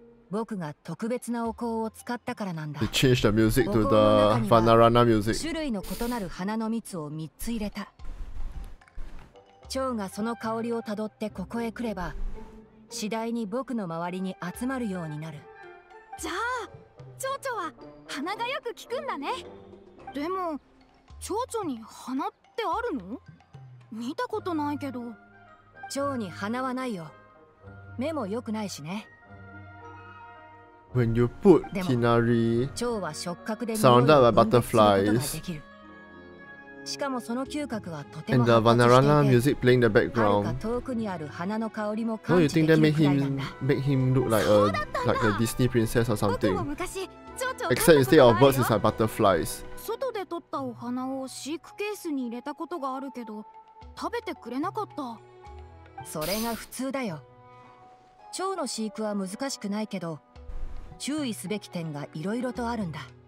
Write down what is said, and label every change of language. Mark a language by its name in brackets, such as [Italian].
[Japanese] 僕が特別なお香を使ったからなんだ。 [English] They changed the music to the Vanarana music。 [Japanese] 種類の異なる花の蜜を三つ入れた。蝶がその香りをたどってここへ来れば、次第に僕の周りに集まるようになる。じゃあ、蝶々は鼻がよく効くんだね。でも、蝶々に鼻ってあるの？見たことないけど。蝶に鼻はないよ。目も良くないしね。 [English] When you put Kinari surrounded by butterflies, [Japanese] しかもその嗅覚はとても [English] and the Vanarana music playing the background, don't you think that make him look like a Disney princess or something? Except instead of birds, it's like butterflies. [Japanese] 外で撮ったお花を飼育ケースに入れたことがあるけど、食べてくれなかった。それが普通だよ。蝶の飼育は難しくないけど、注意すべき点がいろいろとあるんだ。